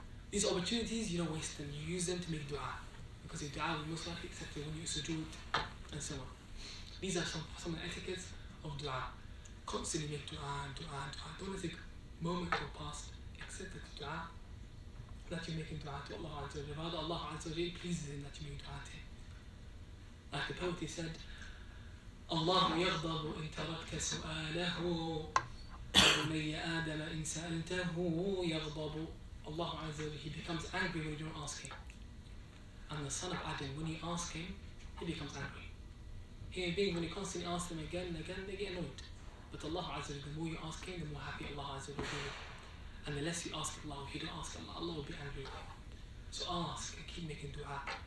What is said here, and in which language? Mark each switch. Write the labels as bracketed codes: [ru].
[en] These opportunities, you don't waste them, you use them to make du'a. Because your du'a will most likely be accepted when you sujood and so on. These are some of the etiquettes of du'a. Constantly make du'a, du'a, du'a. Don't let the moment go past, except that du'a. That you're making du'a to Allah Azza wa Jalla. Rather, Allah Azza wa Jalla pleases him that you make du'a to him. Like the poet, he said, [ar] اللهم يغضب إن تركت سؤاله وبني آدم إن سألته يغضب. [en] Allah Azza wa Jalla, he becomes angry when you don't ask him. And the son of Adam, when you ask him, he becomes angry. Human beings, when you constantly ask them again and again, they get annoyed. But Allah Azza wa Jalla, the more you ask him, the more happy Allah Azza wa Jalla will be. And the less you ask Allah, if you don't ask Allah, Allah will be angry with you. So ask and keep making dua.